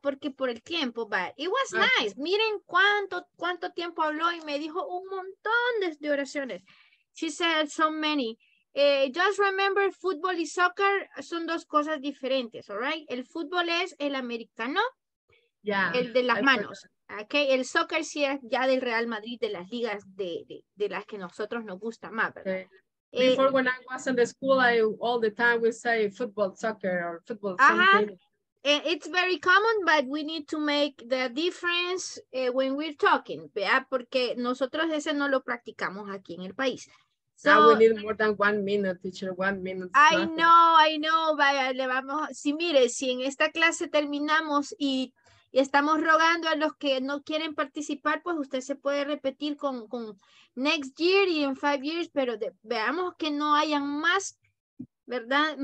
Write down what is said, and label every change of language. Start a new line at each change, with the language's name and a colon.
Spanish: Porque por el tiempo, but it was nice. Miren cuánto tiempo habló y me dijo un montón de oraciones. She said so many. Just remember, fútbol y soccer son dos cosas diferentes, all right? El fútbol es el americano,
English: yeah,
Spanish: el de las manos, okay? El soccer sí es ya del Real Madrid, de las ligas de las que nosotros nos gusta más, ¿verdad?
English: Okay. Before, when I was in the school, I all the time would say football, soccer, or football, something. It's very common, but we need to make the difference when we're talking, ¿vea?
Spanish: Porque nosotros ese no lo practicamos aquí en el país.
English: So, now we need more than 1 minute, teacher, 1 minute.
Spanish: I know, vaya, le vamos, si mire, si en esta clase terminamos y estamos rogando a los que no quieren participar, pues usted se puede repetir con next year y en 5 years, pero veamos que no hayan más, ¿verdad?